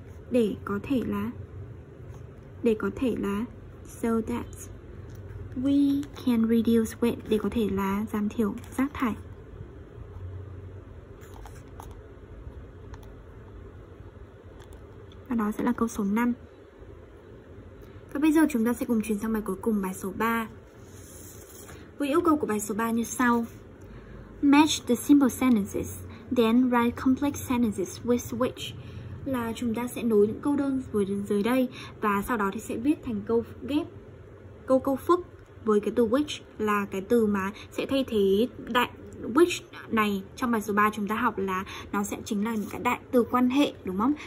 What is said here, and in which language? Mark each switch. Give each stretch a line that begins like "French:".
Vietnamese: Để có thể là
English: so that we can reduce waste,
Vietnamese: để có thể là giảm thiểu rác thải. Và đó sẽ là câu số 5. Và bây giờ chúng ta sẽ cùng chuyển sang bài cuối cùng, bài số 3. Với yêu cầu của bài số 3 như sau.
English: Match the simple sentences, then write complex sentences with which.
Vietnamese: Là chúng ta sẽ nối những câu đơn dưới đây và sau đó thì sẽ viết thành câu ghép, câu phức với cái từ which, là cái từ mà sẽ thay thế đại which này trong bài số 3 chúng ta học, là nó sẽ chính là những cái đại từ quan hệ, đúng không?